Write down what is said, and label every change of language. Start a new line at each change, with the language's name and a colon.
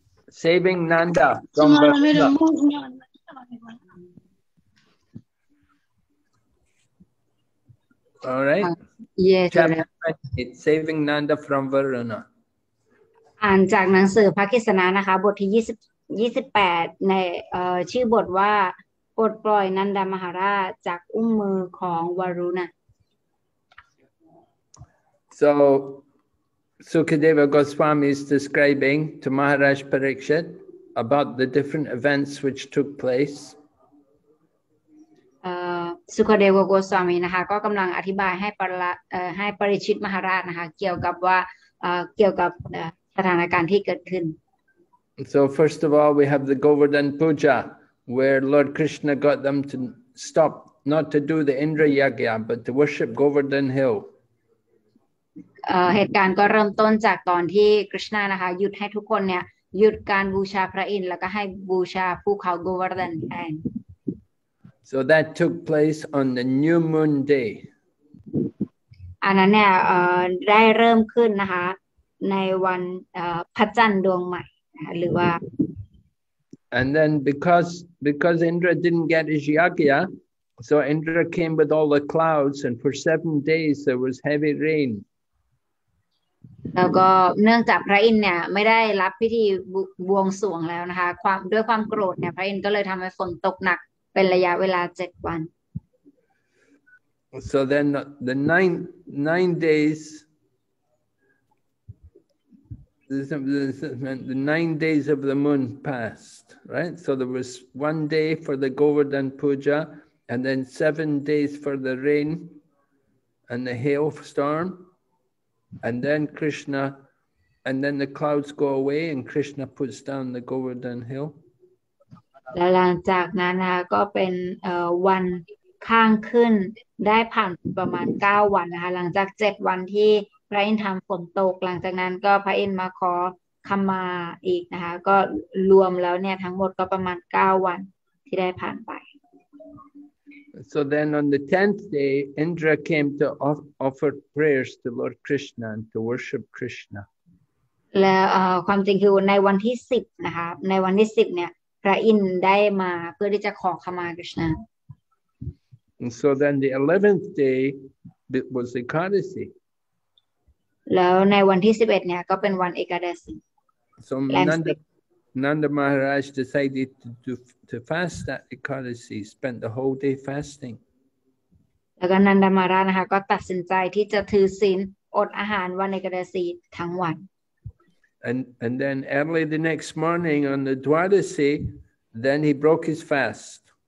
English: Saving Nanda from the All right. Yes. Saving Nanda from Varuna.
Thai: อ่านจากหนังสือพระกฤษณะนะคะบทที่28ในชื่อบทว่าปลดปล่อยนันดามหาราชจากอุ้งมือของวารุณะ
English: So Sukadeva Goswami is describing to Maharaj Parikshit about the different events which took place
Thai: สุขเดวโกสวามีนะคะก็กำลังอธิบายให้ปริชิตมหาราชนะคะเกี่ยวกับว่าเกี่ยวกับสถานการณ์ที่เกิดขึ้น
English: So first of all we have the Govardhan Puja where Lord Krishna got them to stop not to do the Indra Yagya but to worship Govardhan Hill
Thai: เหตุการณ์ก็เริ่มต้นจากตอนที่คริชนานะคะหยุดให้ทุกคนเนี่ยหยุดการบูชาพระอินทร์แล้วก็ให้บูชาภูเขา Govardhan แทน
English: So that took place on the new moon day
Thai: อันนั้นเนี่ยได้เริ่มขึ้นนะคะในวันพระจันทร์ดวงใหม่หรือว่า
English: And then because Indra didn't get his yagya so Indra came with all the clouds and for 7 days there was heavy rain
Thai: แล้วก็เนื่องจากพระอินทร์เนี่ยไม่ได้รับพิธีบวงสรวงแล้วนะคะความด้วยความโกรธเนี่ยพระอินทร์ก็เลยทำให้ฝนตกหนักเป็นระยะเวลา7วัน
English: So then the nine daysThe 9 days of the moon passed, right? So there was 1 day for the Govardhan Puja, and then 7 days for the rain and the hail storm, and then Krishna, and then the clouds go away, and Krishna puts down the Govardhan Hill.
Thai: และหลังจากนั้นก็เป็นวันข้างขึ้นได้ผ่านประมาณ9 วันนะคะหลังจาก7 วันที่พระอินทร์ทำฝนตกหลังจากนั้นก็พระอินทร์มาขอขมาอีกนะคะก็รวมแล้วเนี่ยทั้งหมดก็ประมาณ9 วันที่ได้ผ่านไป
English: So then on the 10th day Indra came to offer prayers to Lord Krishna and to worship Krishna
Thai: แล้วความจริงคือในวันที่10นะคะในวันที่10เนี่ยพระอินทร์ได้มาเพื่อที่จะขอขมาคริชนา
English: And so then the 11th day was the Ekadasi
Thai: แล้วในวันที่11เนี่ยก็เป็นวันเอกาดศี
English: So Nanda Maharaj decided to fast that Ekadasi spent the whole day fasting
Thai: แล้วก็นันดามาราชนะคะก็ตัดสินใจที่จะถือศีลอดอาหารวันเอกาดศีทั้งวัน
English: And then early the next morning on the Dwadasi then he broke his fast